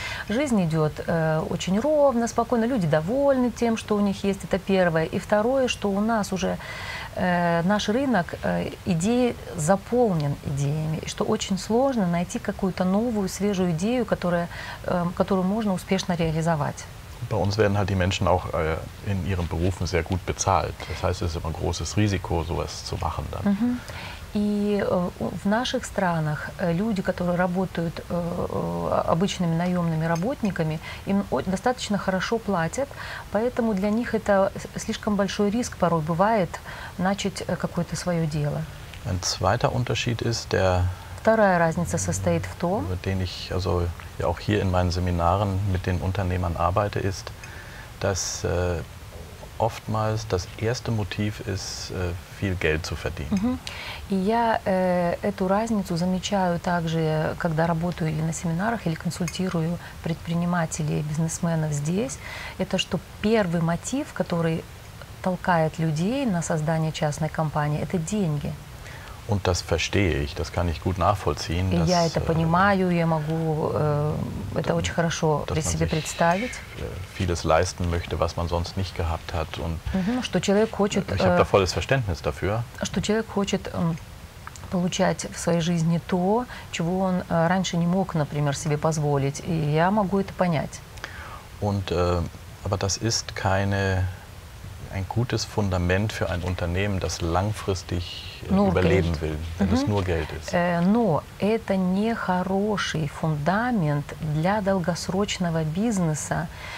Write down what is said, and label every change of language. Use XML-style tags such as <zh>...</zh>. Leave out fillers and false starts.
<ru>Жизнь идет очень ровно, спокойно, люди довольны тем, что у них есть, это первое. И второе, что у нас уже наш рынок идеи заполнен идеями, и что очень сложно найти какую-то новую, свежую идею, которую можно успешно реализовать.</ru> <de>Bei uns werden halt die Menschen auch in ihren Berufen sehr gut bezahlt. Das heißt, es ist immer ein großes Risiko, sowas zu machen dann.</de> <ru>И в наших странах люди, которые работают обычными наемными работниками, им достаточно хорошо платят, поэтому для них это слишком большой риск порой бывает начать какое-то свое дело.</ru> <de>Ein zweiter Unterschied ist</de> <ru>Вторая разница состоит в том,</ru> <de>mit denen ich also ja auch hier in meinen Seminaren mit den Unternehmern arbeite, ist, dass oftmals das erste Motiv ist, viel Geld zu verdienen.</de> <ru>И я эту разницу замечаю также, когда работаю или на семинарах, или консультирую предпринимателей, бизнесменов здесь. Это что первый мотив, который толкает людей на создание частной компании, это деньги.</ru> <de>Und das verstehe ich, das kann ich gut nachvollziehen. Dass,</de> <ru>я это понимаю, я могу это очень хорошо при себе представить.</ru> <de>Vieles leisten möchte, was man sonst nicht gehabt hat. Und</de> <ru>что человек хочет,</ru> <de>ich habe da volles Verständnis dafür.</de> <ru>Что человек хочет получать в своей жизни то, чего он раньше не мог, например, себе позволить. И я могу это понять.</ru> <de>Und, aber das ist keine... ein gutes Fundament für ein Unternehmen, das langfristig überleben will, wenn es nur Geld ist.</de> <ru>Но это не хороший фундамент для долгосрочного бизнеса.</ru>